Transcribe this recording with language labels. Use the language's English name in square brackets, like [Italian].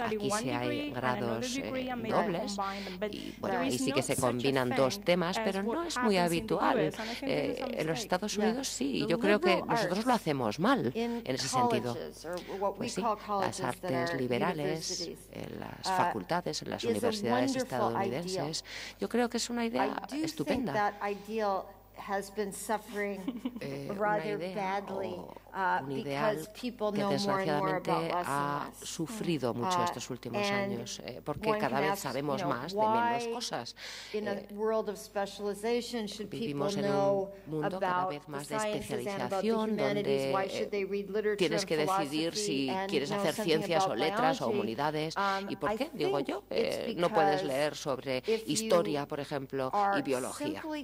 [Spanish] Aquí sí hay grados dobles y, bueno, y sí que se combinan dos temas, pero no es muy habitual. En los Estados Unidos sí, y yo creo que nosotros lo hacemos mal en ese sentido. Pues sí, las artes liberales, las facultades, en las universidades estadounidenses, yo creo que es una idea estupenda. [English] Has been suffering rather badly because people know more and more about us. [Spanish] Ha sufrido mucho estos últimos años porque cada vez sabemos más de menos cosas. [English] In a world of specialization, should people know about the sciences and about the humanities? Why should they read literature? [Spanish] Tienes que decidir si quieres hacer ciencias o letras o humanidades. ¿Y por qué? Digo yo, no puedes leer sobre historia, por ejemplo, y biología.